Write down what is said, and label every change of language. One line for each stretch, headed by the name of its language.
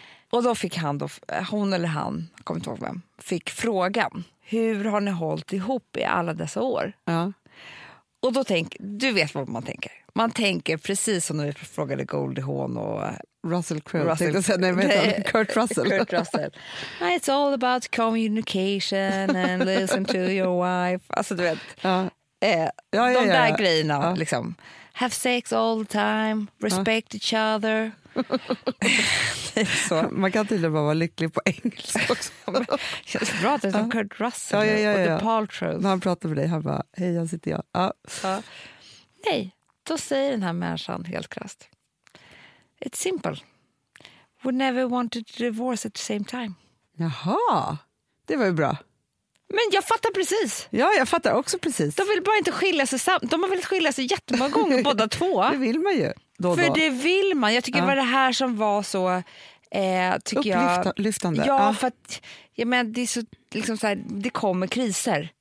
Swedish: Och då fick han då, hon eller han, kommer inte ihåg vem, fick frågan, hur har ni hållit ihop i alla dessa år? Ja. Och då tänk, du vet vad man tänker. Man tänker precis som när vi frågade Goldie Hawn och Russell Crowe, Kurt Russell. Kurt Russell.
English: It's all about communication and listen to your wife.
Swedish: Alltså du vet, ja, de där grejerna. Ja. Liksom.
English: Have sex all the time, respect each other.
Swedish: Så. Man kan till och med vara lycklig på engelska också. Känns bra att det är som Kurt Russell ja. Och The Paltrows. När han pratar med dig, han bara, hej, jag sitter jag. Nej, då säger den här människan helt krasst.
English: It's simple. We never wanted to divorce at the same time.
Swedish: Jaha, det var ju bra. Men jag fattar precis. Ja, jag fattar också precis. De vill bara inte skilja sig samt. De har velat skilja sig jättemånga gånger, båda två. Det vill man ju då och för då. Det vill man. Jag tycker det var det här som var så, tycker upplyftande. Ja, för att jag menar, det är så, liksom så här, det kommer kriser.